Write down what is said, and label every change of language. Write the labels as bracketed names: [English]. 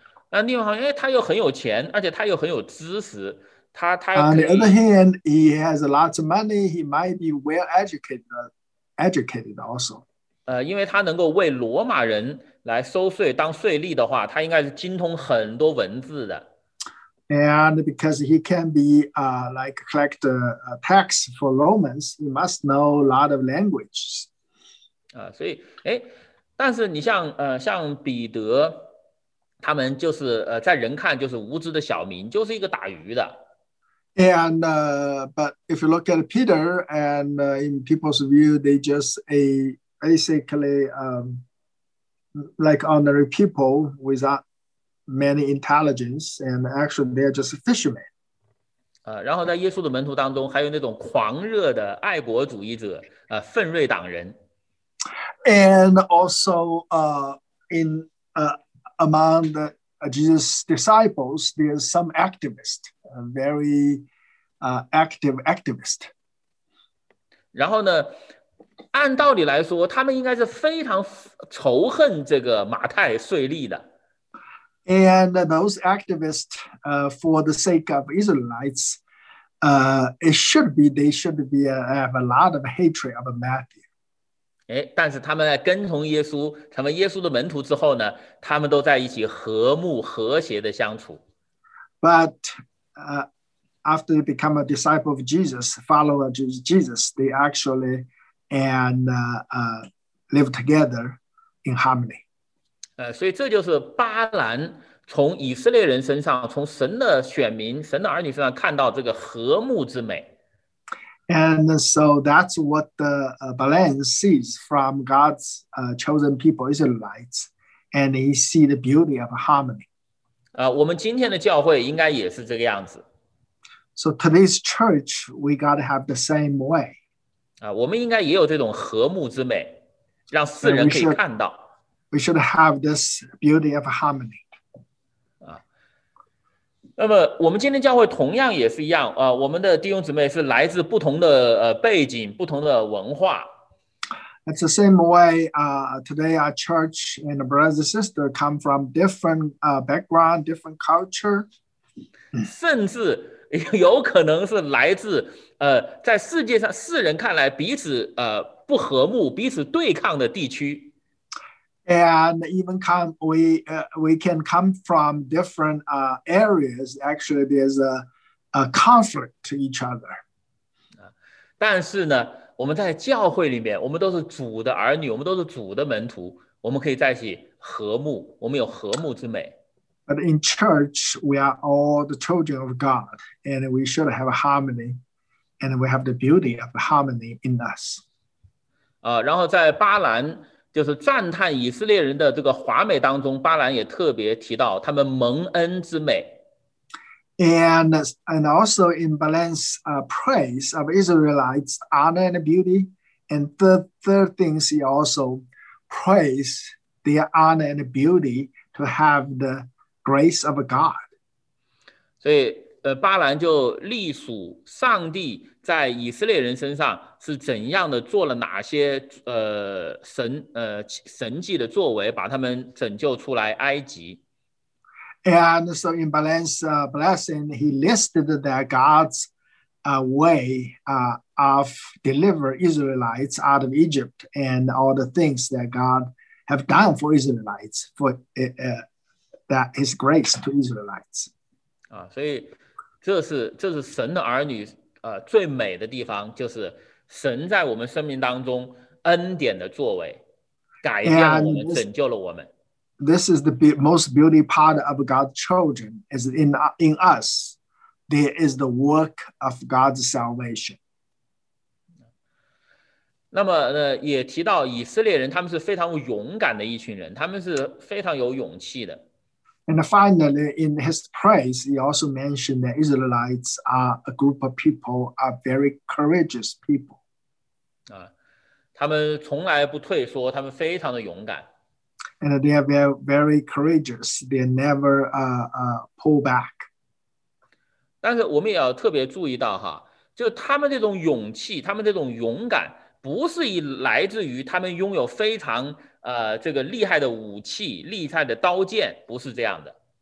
[Chinese] 那另外，因为他又很有钱，而且他又很有知识，他可以。 [English] On the other hand, he has a lot of money. He might be well educated also. [Chinese] 因为他能够为罗马人来收税当税吏的话，他应该是精通很多文字的。 [English] And because he can be like collect tax for Romans, he must know a lot of languages. [Chinese] 所以，但是你像彼得。他们就是在人看就是无知的小民，就是一个打鱼的。 [English] And but if you look at Peter and in people's view, they just a basically like ordinary people without many intelligence, and actually they're just fishermen. [Chinese] 然后在耶稣的门徒当中，还有那种狂热的爱国主义者，愤锐党人。 [English] And also in Among the Jesus' disciples, there are some activists, very active activists. [Chinese] 然后呢，按道理来说，他们应该是非常仇恨这个马太税吏的。 [English] And those activists, for the sake of Israelites, it should be they should be have a lot of hatred of Matthew. [Chinese] 但是他们在跟从耶稣成为耶稣的门徒之后呢，他们都在一起和睦和谐的相处。 [English] But after they become a disciple of Jesus, follower of Jesus, they actually and live together in harmony. [Chinese] 所以这就是巴兰从以色列人身上，从神的选民、神的儿女身上看到这个和睦之美。 [English] And so that's what the Balan sees from God's chosen people, Israelites, and he sees the beauty of harmony. [Chinese] 我们今天的教会应该也是这个样子。 [English] So today's church, we got to have the same way. [Chinese] 我们应该也有这种和睦之美，让世人可以看到。 [English] We should have this beauty of harmony. [Chinese] 那么我们今天教会同样也是一样，我们的弟兄姊妹是来自不同的背景、不同的文化。 [English] It's the same way, today our church and the brothers and sisters come from different background, different culture. [Chinese] 甚至有可能是来自在世界上世人看来彼此不和睦、彼此对抗的地区。 [English] And even come, we can come from different areas. Actually, there's a conflict to each other. [Chinese] 但是呢，我们在教会里面，我们都是主的儿女，我们都是主的门徒，我们可以在一起和睦，我们有和睦之美。 [English] But in church, we are all the children of God, and we should have a harmony, and we have the beauty of harmony in us. [Chinese] 然后在巴兰就是赞叹以色列人的这个华美当中，巴兰也特别提到他们蒙恩之美。 [English] And also in Balaam's praise of Israelites' honor and beauty, and the third thing he also praised their honor and beauty to have the grace of God. [Chinese] 所以，巴兰就隶属上帝在以色列人身上是怎样的做了哪些神迹的作为，把他们拯救出来埃及。 [English] And so in Balaam's blessing, he listed that God's way of delivering Israelites out of Egypt and all the things that God have done for Israelites, for that his grace to Israelites. [Chinese] 所以这是神的儿女最美的地方，就是神在我们生命当中恩典的作为，改变了我们，拯救了我们。 [English] This is the most beautiful part of God's children. Is in us, there is the work of God's salvation. [Chinese] 那么呢，也提到以色列人，他们是非常勇敢的一群人，他们是非常有勇气的。 [English] And finally, in his praise, he also mentioned that Israelites are a group of people, are very courageous people. [Chinese] 他们从来不退缩，他们非常的勇敢。 [English] And they are very, very courageous. They never pull back. [Chinese] 但是我们也要特别注意到哈，就他们这种勇气，他们这种勇敢，不是来自于他们拥有非常这个厉害的武器、厉害的刀剑，不是这样的。